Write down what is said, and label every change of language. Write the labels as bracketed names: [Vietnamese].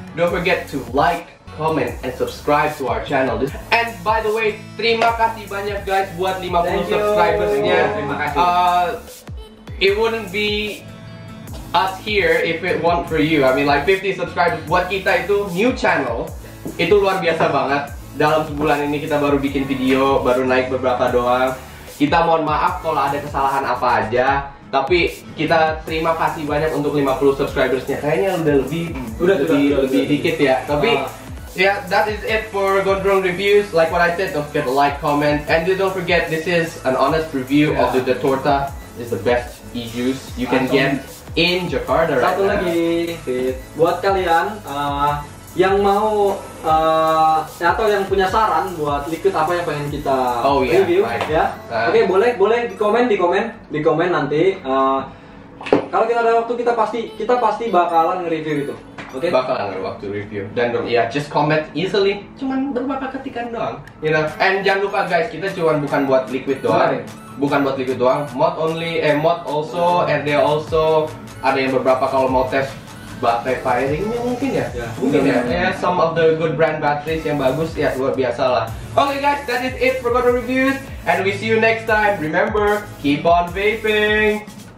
[English] Don't forget to like, comment, and subscribe to our channel. And by the way, [Indonesian] terima kasih banyak guys buat 50 subscribersnya. Terima kasih. [English] It wouldn't be us here if it weren't for you. I mean like 50 subscribers [Indonesian] buat kita itu new channel. Itu luar biasa banget. Dalam sebulan ini kita baru bikin video, baru naik beberapa doang. Kita mohon maaf kalau ada kesalahan apa aja, tapi kita terima kasih banyak untuk 50 subscribersnya. Kayaknya udah lebih dikit ya. [English] Tapi yeah, that is it for Gondrong Reviews. Like what I said, don't forget to like, comment, and don't forget this is an honest review of the Torta. It's the best Ejuice you can get in Jakarta. [Indonesian] Satu [English] right [Indonesian] lagi, buat kalian yang mau atau yang punya saran buat liquid apa yang pengen kita review, ya. Oke, boleh di komen nanti. Kalau kita ada waktu kita pasti bakalan nge-review itu. Oke. Bakalan ada waktu review. Dan [English] just comment easily. [Indonesian] Cuman beberapa ketikan doang. [English] You know. [Indonesian] And jangan lupa guys, kita cuman bukan buat liquid doang. Bukan buat liquid doang. [English] Mod also, RD also. [Indonesian] Ada yang beberapa kalau mau tes battery firingnya mungkin ya. Mungkin ya. [English] Some of the good brand batteries [Indonesian] yang bagus ya, luar biasa lah. [English] Okay guys, that is it for the reviews. And we see you next time. Remember, keep on vaping.